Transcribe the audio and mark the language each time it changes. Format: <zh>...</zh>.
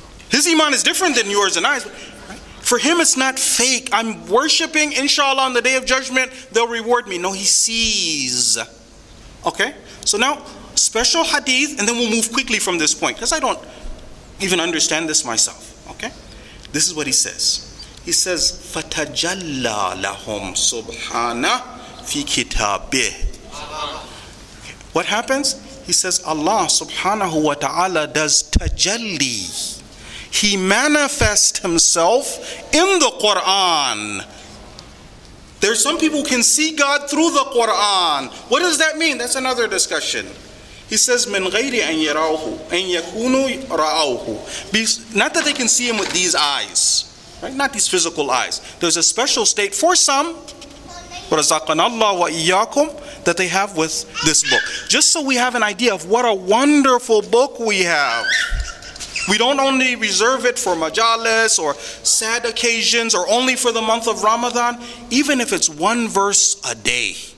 <en>His iman is different than yours and I's. For him, it's not fake. I'm worshiping, inshallah, on the day of judgment, they'll reward me. No, he sees. Okay? So now, special hadith, and then we'll move quickly from this point, because I don't even understand this myself. Okay? This is what he says. He says,</en> <ar>فَتَجَلَّى لَهُمْ سُبْحَانَ فِي كِتَابِهِ.</ar> <en>What happens? He says, Allah subhanahu wa ta'ala does tajalli. He manifests himself in the Quran. There are some people who can see God through the Quran. What does that mean? That's another discussion. He says,</en> <ar>مِنْ غَيْرِ أَنْ يَرَوْهُ أَنْ يَكُونُوا رَأَوْهُ.</ar> <en>Not that they can see him with these eyes. Right? Not these physical eyes. There's a special state for some.</en> <ar>رَزَقَنَا اللَّهُ وَإِيَّاكُمْ</ar> <en>that they have with this book. Just so we have an idea of what a wonderful book we have. We don't only reserve it for majalis or sad occasions or only for the month of Ramadan, even if it's one verse a day.</en>